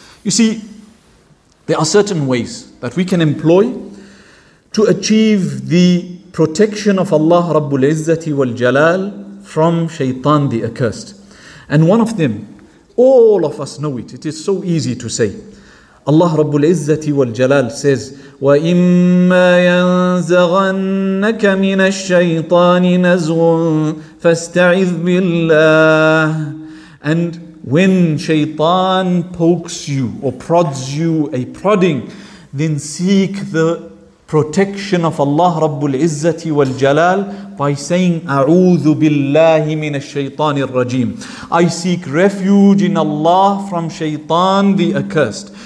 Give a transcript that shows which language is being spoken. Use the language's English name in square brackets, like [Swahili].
[English] You see, there are certain ways that we can employ to achieve the protection of Allah Rabbul Izzati wal Jalal from shaitan the accursed. And one of them, all of us know it is so easy to say. Allah Rabbul Izzati wal Jalal says, [Arabic] وَإِمَّا يَنْزَغَنَّكَ مِنَ الشَّيْطَانِ نَزْغٌ فَاسْتَعِذْ بِاللَّهِ. [English] And when shaitan pokes you or prods you, a prodding, then seek the protection of Allah Rabbul Izzati wal Jalal by saying, [Arabic] أَعُوذُ بِاللَّهِ مِنَ الشَّيْطَانِ الرَّجِيمِ. [English] I seek refuge in Allah from shaitan the accursed.